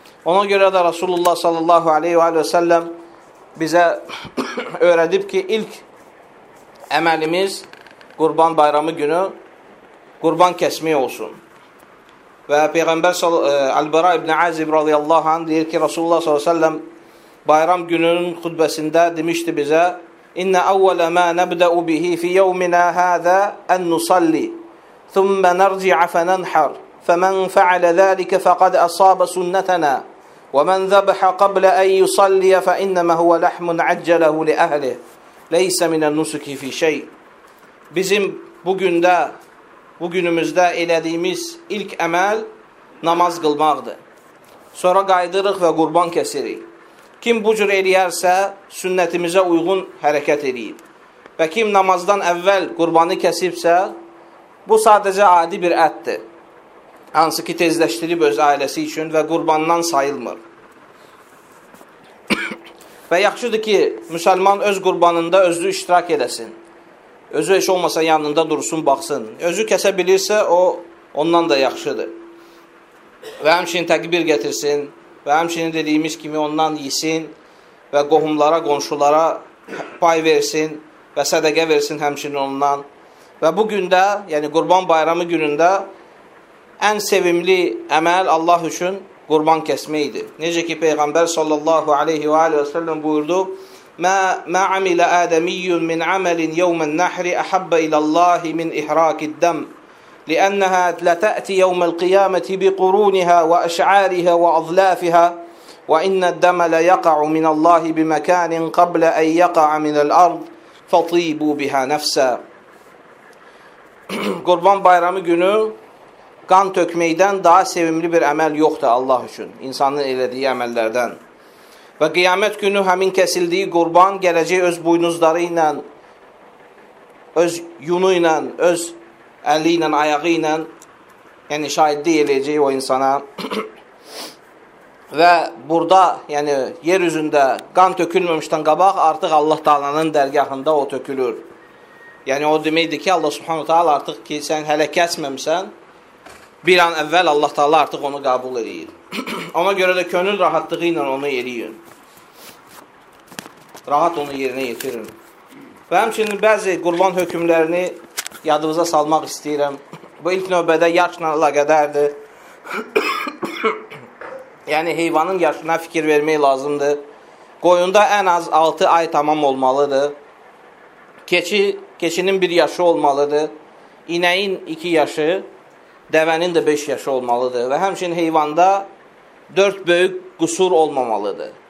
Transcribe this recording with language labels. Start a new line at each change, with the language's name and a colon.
Azerbaijani: Ona görə də Rasulullah sallallahu aleyhi və aleyhi və səlləm bizə öyrədib ki, ilk əməlimiz Qurban bayramı günü qurban kəsmək olsun. Və Peyğəmbər Əl-Bəra ibn Əzib radiyallahu anh deyir ki, Rasulullah s.ə.v bayram gününün xütbəsində demişdi bizə,
Arabic: İnnə əvvələ mə nəbdəu bihi fi yəvminə həzə ən nusalli. ثم نرجع فننحر، فمن فعل ذلك فقد أصاب سنتنا، ومن ذبح قبل أن يصلي فإنما هو لحم عجله لأهله، ليس من النسك في شيء.
Azerbaijani: Bizim bugünde, bugünümüzde elediğimiz ilk emel namaz kılmaqdır. Sonra qaydırıq və qurban kəsirik. Kim bu cür eləyərsə, sünnətimizə uyğun hərəkət eləyib. Və kim namazdan əvvəl qurbanı kəsibsə, bu sadəcə adi bir ətdir. Hansı ki, tezləşdirib öz ailəsi üçün və qurbandan sayılmır. Və yaxşıdır ki, müsəlman öz qurbanında özü iştirak edəsin. Özü heç olmasa yanında dursun, baxsın. Özü kəsə bilirsə, o ondan da yaxşıdır. Və həmçinin təqbir gətirsin və həmçinin dediyimiz kimi ondan yesin və qohumlara, qonşulara pay versin və sədəqə versin həmçinin ondan. Və bu gündə, yəni Qurban Bayramı günündə ən sevimli əməl Allah üçün qurban kəsmək idi. Necə ki, Peyğəmbər sallallahu aleyhi və aleyhi və səlləm buyurdu,
Arabic: Mə əmilə ədəmiyyün min əməlin yəvmən nəhri əhabbə iləllahi min ihrakiddəm. لأنها لتأتي يوم القيامة بقرونها وأشعارها وأظلافها وإن الدم ليقع من الله بمكان قبل أن يقع من الأرض فطيبوا بها نفسا.
Azerbaijani: Qurban bayramı günü qan tökməkdən daha sevimli bir əməl yoxdur Allah üçün, insanın elədiyi əməllərdən. Və qiyamət günü həmin kəsildiyi qurban gələcək öz buynuzları ilə, öz yunu ilə, öz əli ilə, ayağı ilə, yəni şahidlik eləyəcək o insana. Və burada, yəni yeryüzündə qan tökülməmişdən qabaq artıq Allah Taalanın dərgahında o tökülür. Yəni o deməkdir ki, Allah Subhanahu Taala artıq ki, sən hələ kəsməmsən, bir an əvvəl Allah Taala artıq onu qəbul edir. Ona görə də könül rahatlığı ilə onu yeriyin. Rahat onu yerinə yetirin. Və həmçinin bəzi qurban hökmlərini yadınıza salmaq istəyirəm. Bu ilk növbədə yaşla əlaqədardır. Yəni, heyvanın yaşına fikir vermək lazımdır. Qoyunda ən az 6 ay tamam olmalıdır. Keçinin 1 yaşı olmalıdır. İnəyin 2 yaşı, dəvənin də 5 yaşı olmalıdır. Və həmçinin heyvanda 4 böyük qüsur olmamalıdır.